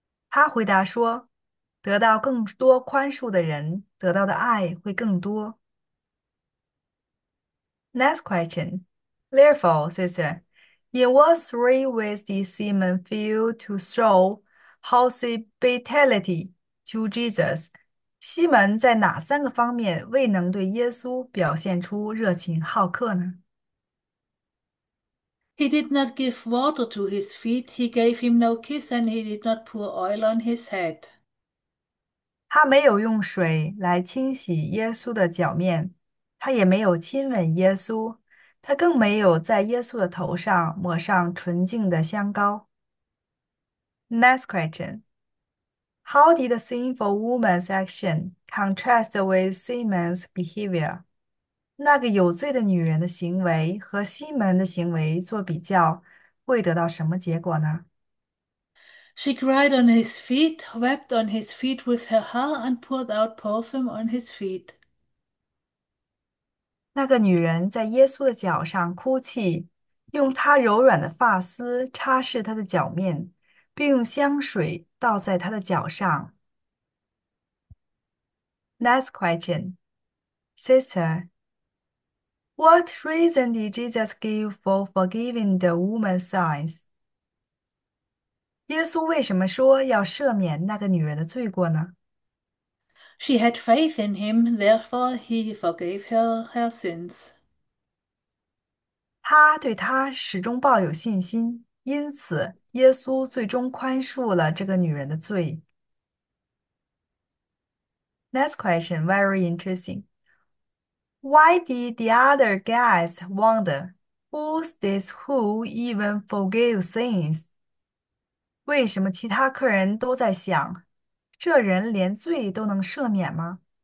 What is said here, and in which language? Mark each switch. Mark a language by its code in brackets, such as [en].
[zh] 他回答说：“得到更多宽恕的人，得到的爱会更多。 [en] ”Next question. Therefore, sister, in what three ways did Simon fail to show hospitality to Jesus? [zh] 西门在哪三个方面未能对耶稣表现出热情好客呢？ [en] He did not give water to his feet, he gave him no kiss, and he did not pour oil on his head. [zh] 他没有用水来清洗耶稣的脚面，他也没有亲吻耶稣，他更没有在耶稣的头上抹上纯净的香膏。 [en] Next question: How did the sinful woman's action contrast with Simon's behavior? [zh] 那个有罪的女人的行为和西门的行为做比较，会得到什么结果呢？ [en] She cried on his feet, wept on his feet with her hair, and poured out perfume on his feet. [zh] 那个女人在耶稣的脚上哭泣，用她柔软的发丝擦拭他的脚面，并用香水倒在他的脚上。 [en] Next question, sister, what reason did Jesus give for forgiving the woman's sins? [zh] 耶稣为什么说要赦免那个女人的罪过呢？ [en] She had faith in him, therefore he forgave her sins. [zh] 他对他始终抱有信心，因此耶稣最终宽恕了这个女人的罪。 [en] Next question, very interesting. Why did the other guys wonder who's this who even forgives sins? [zh] 为什么其他客人都在想，这人连罪都能赦免吗？